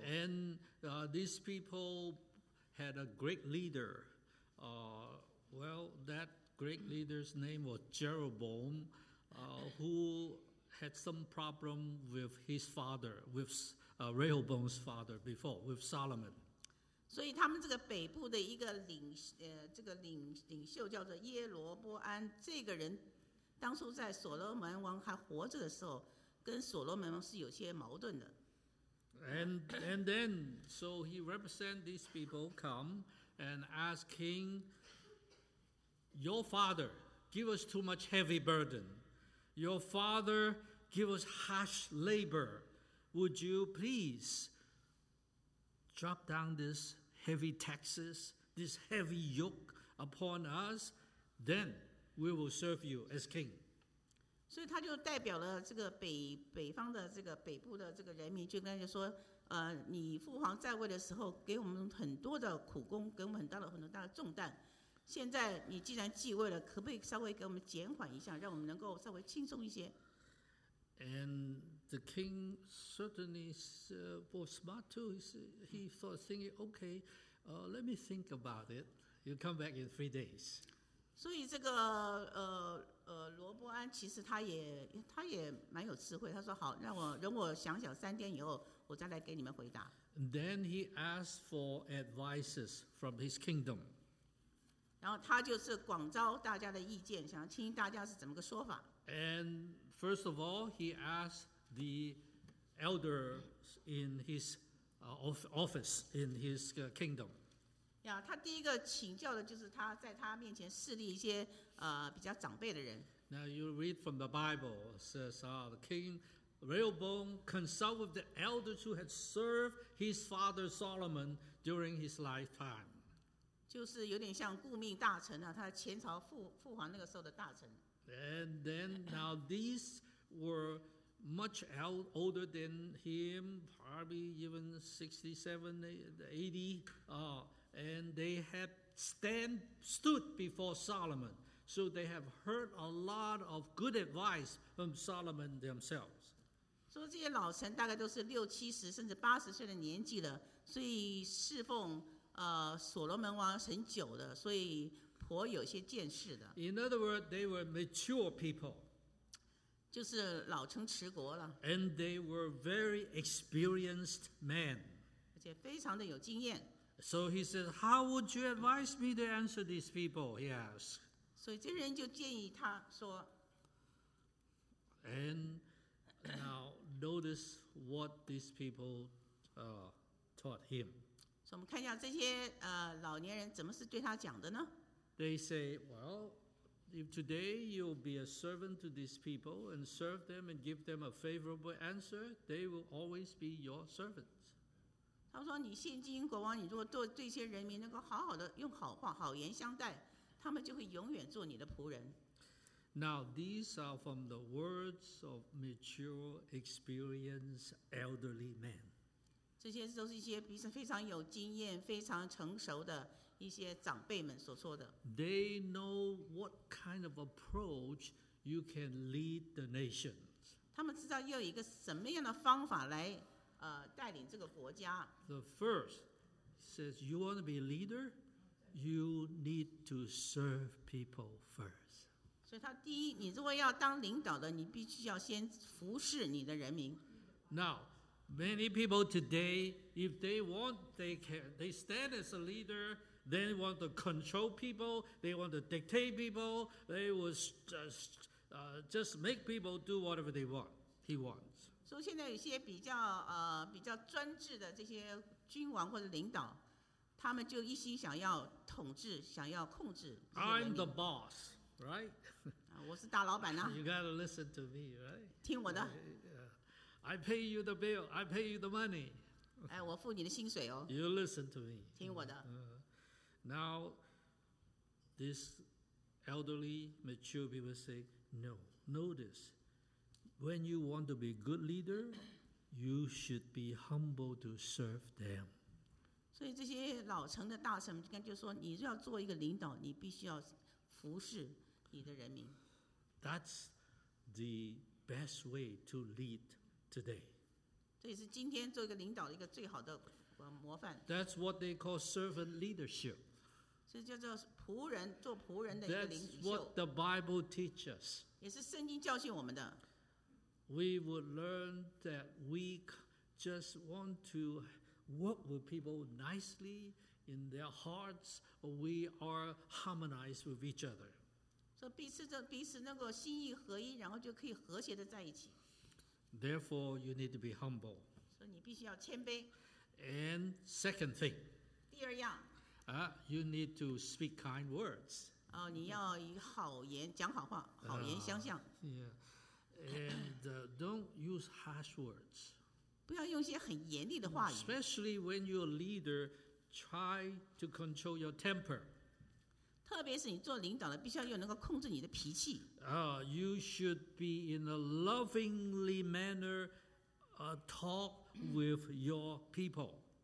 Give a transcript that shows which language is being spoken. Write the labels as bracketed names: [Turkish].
[English] And these people had a great leader. Well, that great leader's name was Jeroboam, who had some problem with his father, with Rehoboam's father before, with Solomon. [Chinese] 所以他们这个北部的一个领，这个领袖叫做耶罗波安，这个人当初在所罗门王还活着的时候，跟所罗门王是有些矛盾的。 [English] And then, so he represents these people come and ask King, your father give us too much heavy burden. Your father give us harsh labor. Would you please drop down this heavy taxes, this heavy yoke upon us? Then we will serve you as king. [Chinese] 所以他就代表了这个 北方的这个北部的这个人民，就跟他说，你父皇在位的时候给我们很多的苦功，给我们很大的重担，现在你既然继位了，可不可以稍微给我们减缓一下，让我们能够稍微轻松一些？ [English] And the king certainly was smart too. He thought, thinking, okay, let me think about it. You come back in 3 days. [Chinese] 所以这个罗伯安其实他也蛮有智慧，他说好，让我想想，三天以后我再来给你们回答。 [English] Then he asked for advices from his kingdom. [Chinese] 然后他就是广招大家的意见，想要听大家是怎么个说法。 [English] And first of all, he asked the elders in his office in his kingdom. [Chinese] 他第一个请教的就是他在他面前侍立一些比较长辈的人。 [English] Now you read from the Bible, it says, the king Rehoboam consulted with the elders who had served his father Solomon during his lifetime. [Chinese] 就是有点像顾命大臣啊，他前朝父皇那个时候的大臣。 [English] And then now these were much older than him, probably even 67, 80, and they had stood before Solomon. So they have heard a lot of good advice from Solomon themselves. [Chinese] 说这些老臣大概都是六七十甚至八十岁的年纪了，所以侍奉所罗门王很久的，所以颇有些见识的。 [English] In other words, they were mature people. [Chinese] 就是老成持国了。 [English] And they were very experienced men. [Chinese] 而且非常的有经验。 [English] So he said, "How would you advise me to answer these people?" He asked. [Chinese] 所以这人就建议他说。 [English] And now notice what these people taught him. [Chinese] 所以我们看一下这些老年人怎么是对他讲的呢？ [English] They say, well, if today you'll be a servant to these people and serve them and give them a favorable answer, they will always be your servants. [Chinese] 他说你现今国王，你如果对这些人民能够好好的用好话好言相待，他们就会永远做你的仆人。 [English] Now, these are from the words of mature, experienced, elderly men. [Chinese] 这些都是一些彼此非常有经验非常成熟的一些长辈们所说的。 [English] They know what kind of approach you can lead the nation. [Chinese] 他们知道要有一个什么样的方法来带领这个国家。 [English] The first says, you want to be a leader, you need to serve people first. [Chinese] 所以他第一，你如果要当领导的，你必须要先服侍你的人民。 [English] Now,many people today, if they want, they can. They stand as a leader, they want to control people, they want to dictate people, they will just make people do whatever they want, he wants. [Chinese] So, 现在有些比较专制的这些君王或者领导，他们就一心想要统治，想要控制。 [English] I'm the boss, right? [Chinese] 我是大老板呢。 [English] You gotta listen to me, right? [Chinese] 听我的。 [English] I pay you the bill. I pay you the money. [Chinese] 哎，我付你的薪水哦。 [English] You listen to me. [Chinese] 听我的。 [English] Now, this elderly, mature people say, no. Notice, when you want to be a good leader, you should be humble to serve them. [Chinese] 所以这些老成的大臣应该就说，你要做一个领导，你必须要服侍你的人民。 [English] That's the best way to lead today. [Chinese] 这也是今天做一个领导的一个最好的模范。 [English] That's what they call servant leadership. [Chinese] 这叫做仆人，做仆人的一个领袖。 [English] That's what the Bible teaches. [Chinese] 也是圣经教训我们的。 [English] We would learn that we just want to work with people nicely in their hearts. We are harmonized with each other. [Chinese] 所以彼此能够心意合一，然后就可以和谐的在一起。 [English] Therefore, you need to be humble. [Chinese] 所以你必须要谦卑。 [English] And second thing. [Chinese] 第二样。 [English] You need to speak kind words. [Chinese] 哦，你要以好言讲好话，好言相向。 [English] And don't use harsh words. [Chinese] 不要用一些很严厉的话语。 [English] Especially when your leader try to control your temper. [Chinese] 特别是你做领导的，必须要又能够控制你的脾气。 [English] You should be in a lovingly manner, talk with your people.